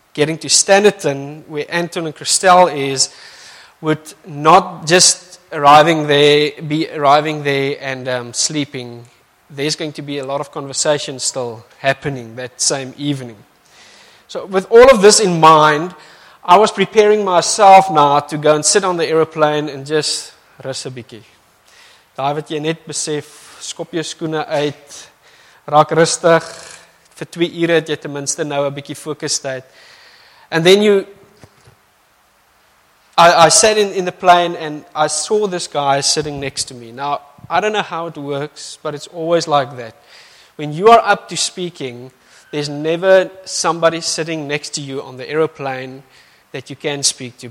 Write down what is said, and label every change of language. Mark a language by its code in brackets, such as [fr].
[en] Getting to Standerton, where Anton and Christelle is, would not just arriving there and sleeping. There's going to be a lot of conversation still happening that same evening. So with all of this in mind, I was preparing myself now to go and sit on the aeroplane and just [af] rus 'n bietjie. Daai wat jy net besef, skop jou skoene uit, raak rustig. Vir 2 ure het jy ten minste nou 'n bietjie fokus tyd. [en] And then I sat in the plane and I saw this guy sitting next to me. Now, I don't know how it works, but it's always like that. When you are up to speaking, there's never somebody sitting next to you on the aeroplane that you can speak to.